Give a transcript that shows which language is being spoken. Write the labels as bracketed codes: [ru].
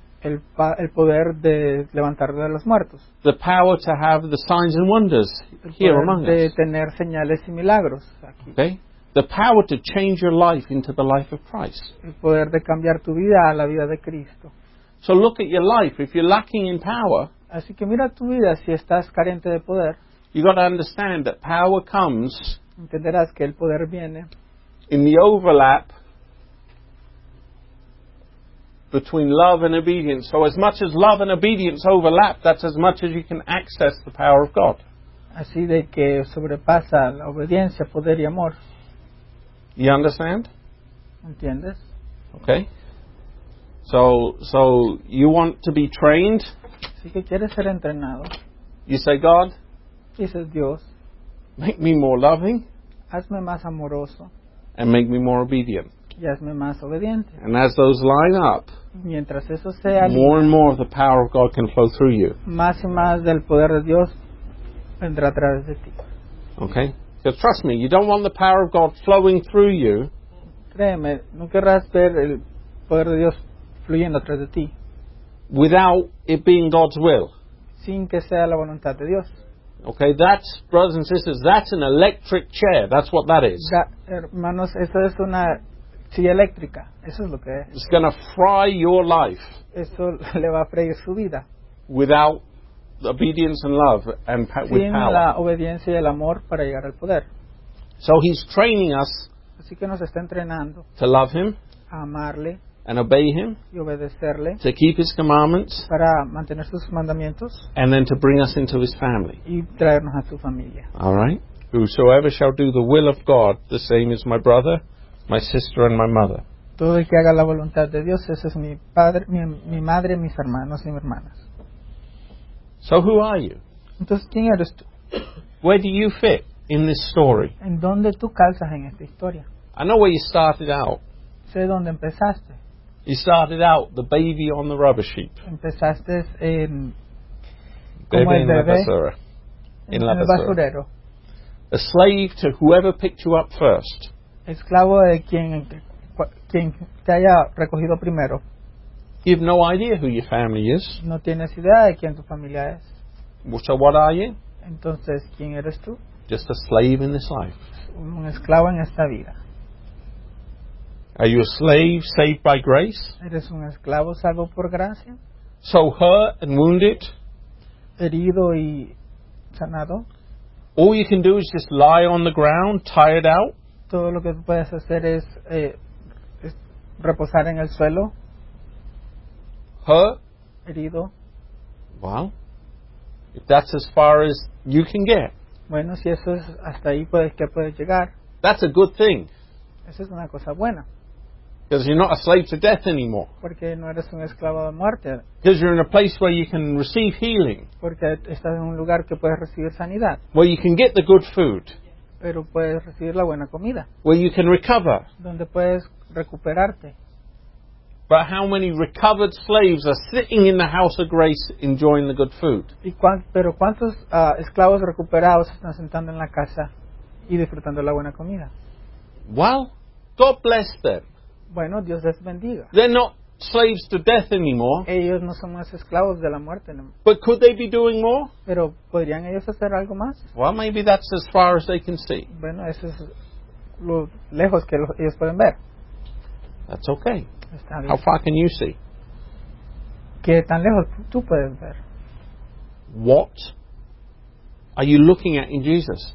[es] El poder de levantar a los muertos. [en] The power to have the signs and wonders here among us. [es] El poder de tener señales y milagros aquí. [en] Okay. The power to change your life into the life of Christ. [es] El poder de cambiar tu vida a la vida de Cristo. [en] So look at your life. If you're lacking in power, [es] así que mira tu vida si estás carente de poder. [en] You got to understand that power comes. [es] Entenderás que el poder viene. [en] In the overlap between love and obedience. So as much as love and obedience overlap, that's as much as you can access the power of God. [es] Así de que sobrepasa la obediencia, poder y amor. [en] You understand? [es] ¿Entiendes? [en] Okay. So you want to be trained? [es] Así que quieres ser entrenado. [en] You say, God? [es] Dices, Dios. [en] Make me more loving. [es] Hazme más amoroso. [en] And make me more obedient. [es] Y hazme más obediente. [en] And as those line up, [es] mientras eso se alinea, [en] more and more of the power of God can flow through you. [es] Más y más del poder de Dios vendrá a través de ti. [en] Okay. So trust me, you don't want the power of God flowing through you [es] créeme, no querrás ver el poder de Dios fluyendo atrás de ti. [en] Without it being God's will. [es] Sin que sea la voluntad de Dios. [en] Okay, that's, brothers and sisters, that's an electric chair. That's what that is. [es] Hermanos, esto es una silla eléctrica. Eso es lo que es. [en] It's going to fry your life. [es] Eso le va a freír su vida. [en] Without obedience and love and with power. [es] Sin la obediencia y el amor para llegar al poder. [en] So he's training us. [es] Así que nos está entrenando. [en] To love him. [es] A amarle. [en] And obey him. [es] Y obedecerle. [en] To keep his commandments. [es] Para mantener sus mandamientos. [en] And then to bring us into his family. [es] Y traernos a su familia. [en] All right. Whosoever shall do the will of God, the same is my brother, my sister, and my mother. [es] Todo el que haga la voluntad de Dios, ese es mi padre, mi madre, mis hermanos y mis hermanas. [en] So who are you? [es] Entonces, ¿quién eres tú? [en] Where do you fit in this story? [es] ¿En dónde tú calzas en esta historia? [en] I know where you started out. [es] Sé dónde empezaste. [en] You started out the baby on the rubber sheep. [es] Empezaste en como el bebé en la basurero. [en] A slave to whoever picked you up first. [es] Esclavo de quien te haya recogido primero. [en] You have no idea who your family is. [es] No tienes idea de quién tu familia es. [en] So what are you? [es] Entonces, ¿quién eres tú? [en] Just a slave in this life. [es] Un esclavo en esta vida. [en] Are you a slave saved by grace? [es] ¿Eres un esclavo salvo por gracia? [en] So hurt and wounded. [es] Herido y sanado. [en] All you can do is just lie on the ground, tired out. [es] Todo lo que puedes hacer es, es reposar en el suelo. [en] Hurt. [es] Herido. [en] Well, if that's as far as you can get. [es] Bueno, si eso es hasta ahí, ¿qué puedes llegar? [en] That's a good thing. [es] Esa es una cosa buena. [en] Because you're not a slave to death anymore. [es] Porque no eres un esclavo de muerte. [en] Because you're in a place where you can receive healing. [es] Porque estás en un lugar que puedes recibir sanidad. [en] Where you can get the good food. [es] Pero puedes recibir la buena comida. [en] Where you can recover. [es] Donde puedes recuperarte. [en] But how many recovered slaves are sitting in the house of grace enjoying the good food? [es] Pero cuántos esclavos recuperados están sentando en la casa y disfrutando la buena comida? [en] Well, God bless them. [es] Bueno, Dios les bendiga. [en] They're not slaves to death anymore. [es] Ellos no son más esclavos de la muerte. [en] But could they be doing more? [es] Pero podrían ellos hacer algo más? [en] Well, maybe that's as far as they can see. [es] Bueno, eso es lo lejos que ellos pueden ver. [en] That's okay. How far can you see? [es] ¿Qué tan lejos tú puedes ver? [en] What are you looking at in Jesus?